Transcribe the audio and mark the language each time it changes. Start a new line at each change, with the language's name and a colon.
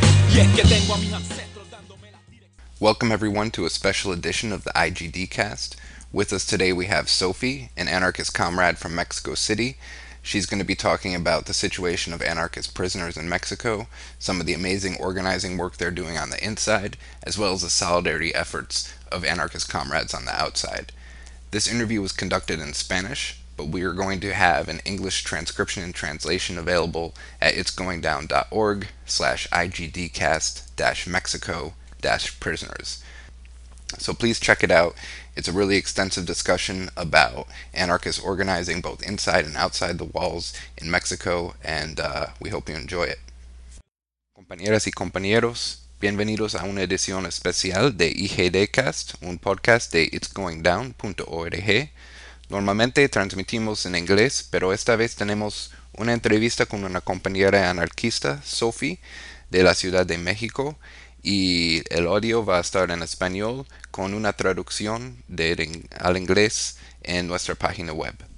Spanish: Y es que tengo a mis ancestros dándome la dirección.
English: Welcome everyone to a special edition of the IGD Cast. With us today we have Sophie, an anarchist comrade from Mexico City. She's going to be talking about the situation of anarchist prisoners in Mexico, some of the amazing organizing work they're doing on the inside, as well as the solidarity efforts of anarchist comrades on the outside. This interview was conducted in Spanish, but we are going to have an English transcription and translation available at itsgoingdown.org/IGDcast-Mexico-prisoners. So please check it out. It's a really extensive discussion about anarchist organizing both inside and outside the walls in Mexico, and we hope you enjoy it.
Spanish: Compañeras y compañeros, bienvenidos a una edición especial de IGDcast, un podcast de itsgoingdown.org. Normalmente transmitimos en inglés, pero esta vez tenemos una entrevista con una compañera anarquista, Sophie, de la Ciudad de México, y el audio va a estar en español con una traducción al inglés en nuestra página web.